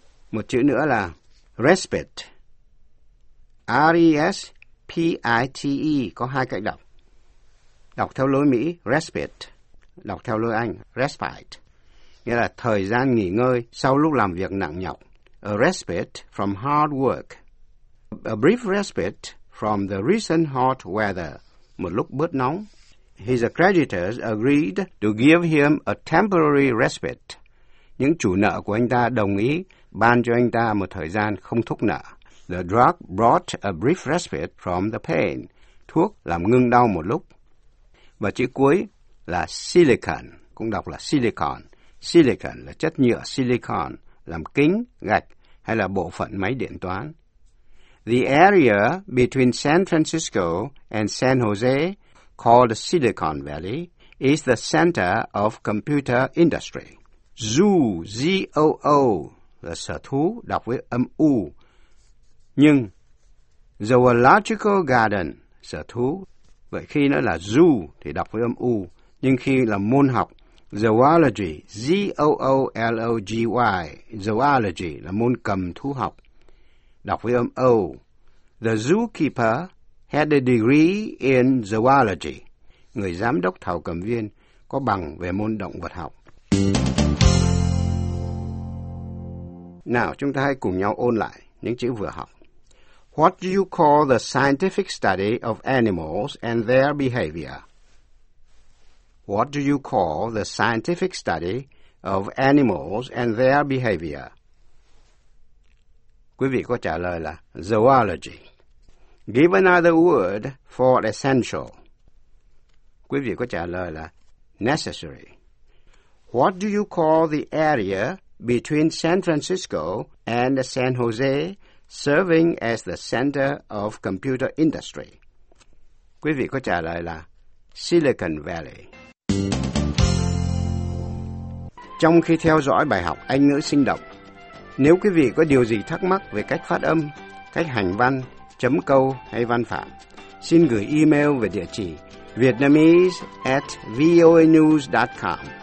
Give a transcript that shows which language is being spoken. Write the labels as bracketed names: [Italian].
[Vietnamese] Một chữ nữa là respite, R-E-S-P-I-T-E, có hai cách đọc. Đọc theo lối Mỹ, respite. Đọc theo lối Anh, respite. Nghĩa là thời gian nghỉ ngơi sau lúc làm việc nặng nhọc. [English] A respite from hard work. A brief respite from the recent hot weather. [Vietnamese] Một lúc bớt nóng. [English] His creditors agreed to give him a temporary respite. [Vietnamese] Những chủ nợ của anh ta đồng ý ban cho anh ta một thời gian không thúc nợ. [English] The drug brought a brief respite from the pain. [Vietnamese] Thuốc làm ngưng đau một lúc. Và chữ cuối là silicon, cũng đọc là silicon. Silicon là chất nhựa silicon, làm kính, gạch hay là bộ phận máy điện toán. [English] The area between San Francisco and San Jose, called Silicon Valley, is the center of computer industry. [Vietnamese] Zoo, Z-O-O, là sở thú, đọc với âm U. Nhưng, zoological garden, sở thú, vậy khi nó là zoo thì đọc với âm U, nhưng khi là môn học, zoology, Z-O-O-L-O-G-Y, zoology là môn cầm thú học, đọc với âm O. [English] The zookeeper had a degree in zoology. [Vietnamese] Người giám đốc thảo cầm viên có bằng về môn động vật học. Nào, chúng ta hãy cùng nhau ôn lại những chữ vừa học. [English] What do you call the scientific study of animals and their behavior? What do you call the scientific study of animals and their behavior? [Vietnamese] Quý vị có trả lời là zoology. [English] Give another word for essential. [Vietnamese] Quý vị có trả lời là necessary. [English] What do you call the area between San Francisco and San Jose serving as the center of computer industry? [Vietnamese] Quý vị có trả lời là Silicon Valley. Trong khi theo dõi bài học Anh ngữ sinh động, nếu quý vị có điều gì thắc mắc về cách phát âm, cách hành văn, chấm câu hay văn phạm, xin gửi email về địa chỉ vietnamese@voanews.com.